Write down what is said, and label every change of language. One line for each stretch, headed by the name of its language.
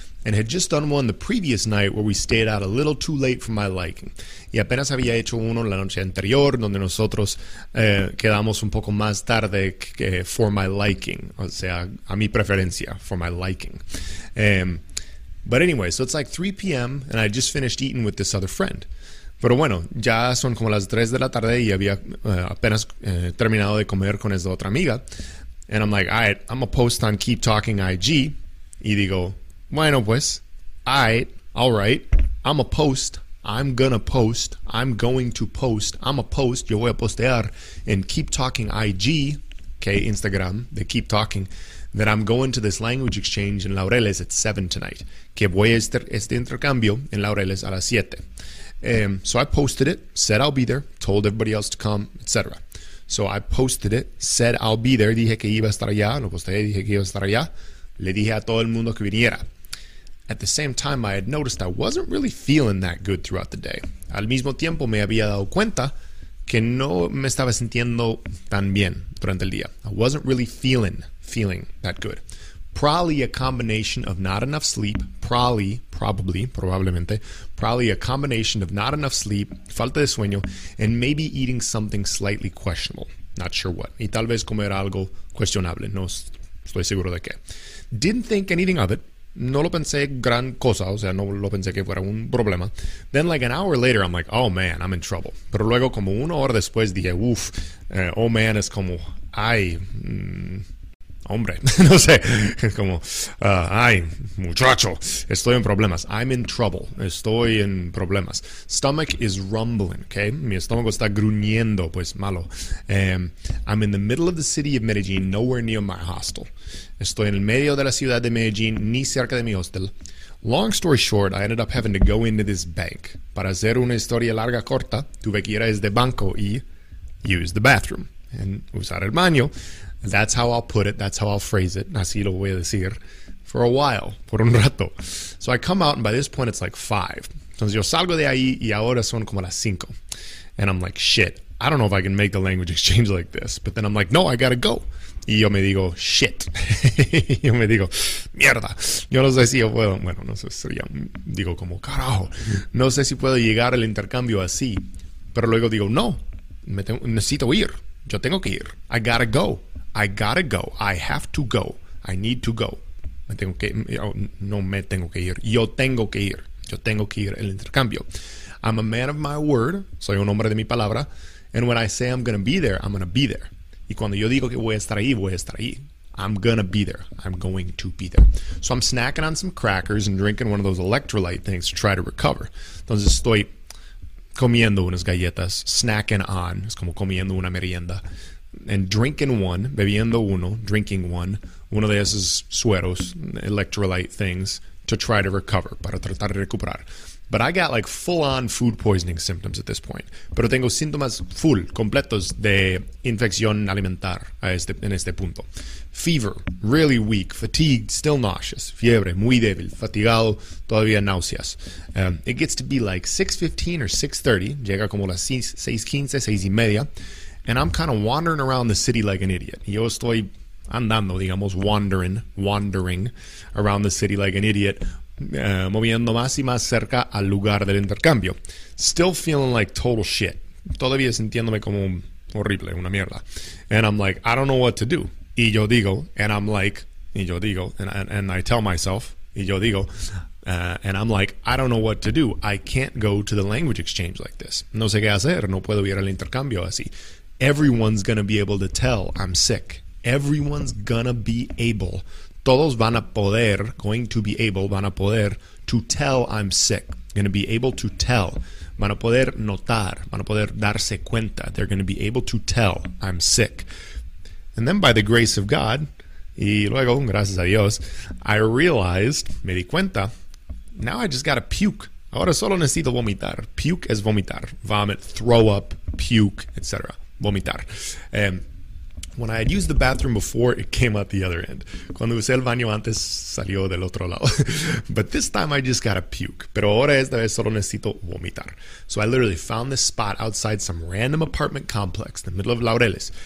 English: And had just done one the previous night where we stayed out a little too late for my liking.
Spanish: Y apenas había hecho uno la noche anterior donde nosotros quedamos un poco más tarde que
English: for my liking.
Spanish: O sea, a mi preferencia,
English: for my liking. But anyway, so it's like 3 p.m. and I just finished eating with this other friend.
Spanish: Pero bueno, ya son como las 3 de la tarde y había apenas terminado de comer con esa otra amiga.
English: And I'm like, all right, I'm gonna post on Keep Talking IG.
Spanish: Y digo, bueno pues,
English: all right, I'm gonna post,
Spanish: yo voy a postear en Keep Talking IG,
English: okay, Instagram, the Keep Talking, that I'm going to this language exchange in Laureles at 7 tonight,
Spanish: que voy a este intercambio en Laureles a las 7.
English: So I posted it, said I'll be there, told everybody else to come, etc. So I posted it, said I'll be there,
Spanish: dije que iba a estar allá, lo posteé, dije que iba a estar allá, le dije a todo el mundo que viniera.
English: At the same time, I had noticed I wasn't really feeling that good throughout the day.
Spanish: Al mismo tiempo, me había dado cuenta que no me estaba sintiendo tan bien durante el día.
English: I wasn't really feeling that good. Probably a combination of not enough sleep. Probably a combination of not enough sleep,
Spanish: falta de sueño,
English: and maybe eating something slightly questionable. Not sure what.
Spanish: Y tal vez comer algo cuestionable. No estoy seguro de qué.
English: Didn't think anything of it.
Spanish: No lo pensé gran cosa, o sea, no lo pensé que fuera un problema.
English: Then, like an hour later, I'm like, oh man, I'm in trouble.
Spanish: Pero luego, como una hora después, dije, uff,
English: oh man,
Spanish: es como, ay, hombre, no sé, es como, ay, muchacho, estoy en problemas.
English: I'm in trouble,
Spanish: estoy en problemas.
English: Stomach is rumbling, okay?
Spanish: Mi estómago está gruñendo, pues malo.
English: I'm in the middle of the city of Medellín, nowhere near my hostel.
Spanish: Estoy en el medio de la ciudad de Medellín, ni cerca de mi hostel.
English: Long story short, I ended up having to go into this bank.
Spanish: Para hacer una historia larga corta, tuve que ir a este banco y
English: use the bathroom. And
Spanish: usar el baño.
English: That's how I'll put it. That's how I'll phrase it.
Spanish: Así lo voy a decir.
English: For a while.
Spanish: Por un rato.
English: So I come out and by this point it's like 5.
Spanish: Entonces yo salgo de ahí y ahora son como las 5.
English: And I'm like, shit. I don't know if I can make the language exchange like this. But then I'm like, no, I gotta go.
Spanish: Y yo me digo, shit. Yo me digo, mierda. Yo no sé si yo puedo. Bueno, no sé si yo digo como, carajo. No sé si puedo llegar al intercambio así. Pero luego digo, no. Necesito ir. Yo tengo que ir.
English: I gotta go. I gotta go. I have to go. I need to go.
Spanish: Me tengo que, no me tengo que ir. Yo tengo que ir. Yo tengo que ir al intercambio.
English: I'm a man of my word.
Spanish: Soy un hombre de mi palabra.
English: And when I say I'm gonna be there, I'm gonna be there.
Spanish: Y cuando yo digo que voy a estar ahí, voy a estar ahí.
English: I'm gonna be there. I'm going to be there. So I'm snacking on some crackers and drinking one of those electrolyte things to try to recover.
Spanish: Entonces estoy comiendo unas galletas,
English: snacking on.
Spanish: Es como comiendo una merienda.
English: And drinking one,
Spanish: bebiendo uno,
English: drinking one.
Spanish: Uno de esos sueros,
English: electrolyte things, to try to recover,
Spanish: para tratar de recuperar.
English: But I got like full-on food poisoning symptoms at this point.
Spanish: Pero tengo síntomas full, completos de infección alimentar a este, en este punto.
English: Fever, really weak. Fatigued, still nauseous.
Spanish: Fiebre, muy débil. Fatigado, todavía náuseas.
English: It gets to be like 6:15 or 6:30.
Spanish: Llega como las 6:15, 6:30.
English: And I'm kind of wandering around the city like an idiot.
Spanish: Yo estoy andando, digamos,
English: wandering around the city like an idiot.
Spanish: Moviendo más y más cerca al lugar del intercambio.
English: Still feeling like total shit.
Spanish: Todavía sintiéndome como horrible, una mierda.
English: And I'm like, I don't know what to do.
Spanish: Y yo digo,
English: and I'm like,
Spanish: y yo digo,
English: and I tell myself, y yo digo, and I'm like, I don't know what to do. I can't go to the language exchange like this.
Spanish: No sé qué hacer. No puedo ir al intercambio así.
English: Everyone's gonna be able to tell I'm sick. Everyone's gonna be able.
Spanish: Todos van a poder,
English: going to be able,
Spanish: van a poder
English: to tell I'm sick. Going to be able to tell.
Spanish: Van a poder notar. Van a poder darse cuenta.
English: They're going to be able to tell I'm sick. And then by the grace of God,
Spanish: Y luego, gracias a Dios,
English: I realized,
Spanish: me di cuenta,
English: now I just gotta puke.
Spanish: Ahora solo necesito vomitar. Puke es vomitar.
English: Vomit, throw up, puke, etc.
Spanish: Vomitar.
English: And when I had used the bathroom before, it came out the other end.
Spanish: Cuando usé el baño antes, salió del otro lado.
English: But this time I just gotta puke.
Spanish: Pero ahora esta vez solo necesito vomitar.
English: So I literally found this spot outside some random apartment complex in the middle of Laureles.